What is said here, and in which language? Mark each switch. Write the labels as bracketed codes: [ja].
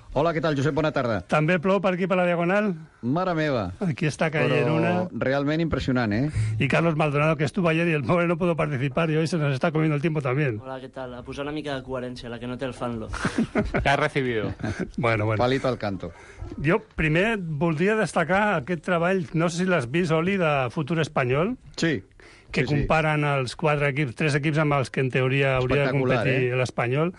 [ca] Hola, què tal, Josep? Bona tarda. També plou per aquí, per la Diagonal? Mare meva. Aquí està caient però una. Realment impressionant, eh? [es] I Carlos Maldonado, que estuvo ayer y el pobre no pudo participar, y hoy se nos está comiendo el tiempo también. [ca] Hola, què tal? A posar una mica de coherència, la que no té el fanlo. [es] Que has recibido. Bueno. Palito al canto. [ca] Jo primer voldria destacar aquest treball, no sé si l'has vist, Oli, de Futur Espanyol. Sí. Que sí, comparen els quatre equips, tres equips amb els que en teoria hauria de competir l'Espanyol.